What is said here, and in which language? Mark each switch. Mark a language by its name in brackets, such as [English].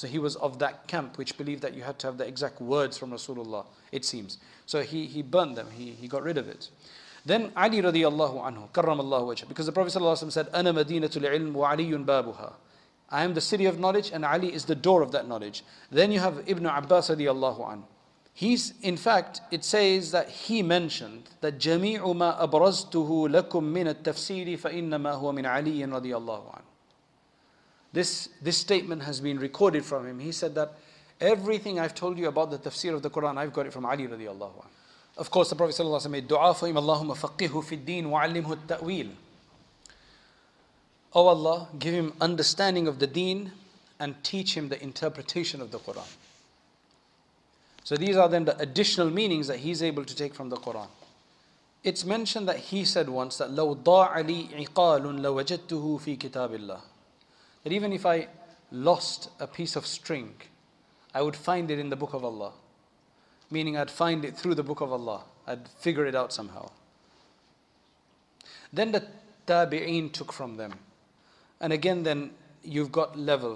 [English] So he was of that camp which believed that you had to have the exact words from Rasulullah, it seems. So he burned them, he got rid of it. Then Ali radiallahu anhu, karramallahu wajha, because the Prophet sallallahu alaihi wasallam said, [Arabic] أنا مَدِينَةُ الْعِلْمُ وَعَلِيٌّ بَابُهَا. [English] I am the city of knowledge and Ali is the door of that knowledge. Then you have Ibn Abbas radiallahu anhu. He's, in fact, it says that he mentioned that [Arabic] جَمِيعُ مَا أَبْرَزْتُهُ لَكُمْ مِنَ التَّفْسِيرِ فَإِنَّمَا هُوَ مِنْ عَلِيٍّ رَضِيَ اللَّهُ عَنْهُ. [English] This statement has been recorded from him. He said that everything I've told you about the tafsir of the Quran, I've got it from Ali radiallahu anhu. Of course, the Prophet ﷺ made dua for him, [Arabic] اللهم فقه في الدين وعلمه التأويل. [English] Oh Allah, give him understanding of the deen and teach him the interpretation of the Quran. So these are then the additional meanings that he's able to take from the Quran. It's mentioned that he said once that [Arabic] لَوْ ضَاعَ لِي عِقَالٌ لَوَجَدْتُهُ فِي كِتَابِ اللَّهِ. [English] That even if I lost a piece of string, I would find it in the book of Allah. Meaning I'd find it through the book of Allah. I'd figure it out somehow. Then the tabi'een took from them. And again then, you've got level.